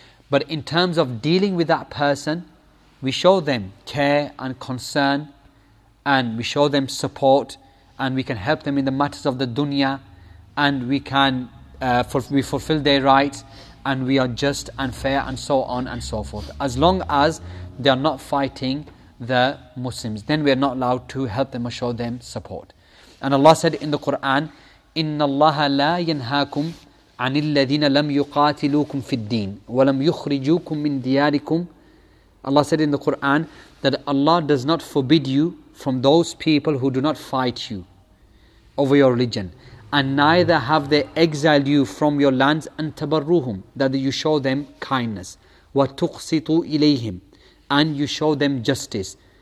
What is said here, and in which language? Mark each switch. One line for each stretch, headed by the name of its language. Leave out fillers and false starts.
English: But in terms of dealing with that person, we show them care and concern, and we show them support, and we can help them in the matters of the dunya, and we can we fulfill their rights, and we are just and fair and so on and so forth. As long as they are not fighting the Muslims, then we are not allowed to help them or show them support. And Allah said in the Quran,
Arabic: إِنَّ اللَّهَ لَا يَنْهَاكُمْ عَنِ الَّذِينَ لَمْ يُقَاتِلُوكُمْ فِي الدِّينِ وَلَمْ يُخْرِجُوكُمْ مِنْ دِيَارِكُمْ.
English: Allah said in the Quran that Allah does not forbid you from those people who do not fight you over your religion. And neither have they exiled you from your lands, and tabarruhum, that you show them kindness.
Arabic: وَتُقْسِطُوا إِلَيْهِمْ,
English: and you show them justice.